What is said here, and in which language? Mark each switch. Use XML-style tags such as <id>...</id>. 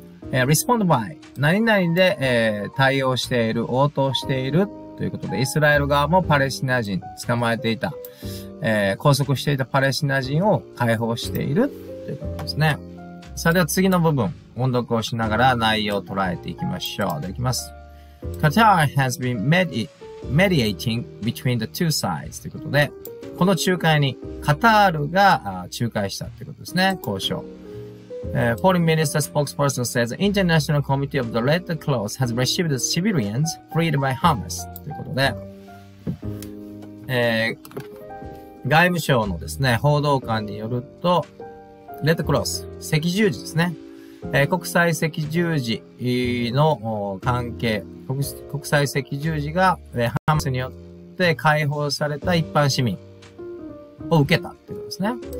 <en>Respond by</en> <ja>何々で、対応している、応答しているということで、イスラエル側もパレスチナ人捕まえていた、拘束していたパレスチナ人を解放しているということですね。さあでは次の部分音読をしながら内容を捉えていきましょう。できます。</ja> <en>Qatar has been mediating between the two sides</en> <ja>ということで。この仲介にカタールが仲介したということですね、交渉。</ja> <en>Foreign Minister Spokesperson says International Committee of the Red Cross has received civilians freed by Hamas</en> <ja>ということで、外務省のですね、報道官によると、レッドクロス、赤十字ですね、国際赤十字の関係、国際赤十字が、ハマスによって解放された一般市民、を受けたってことですね。</ja>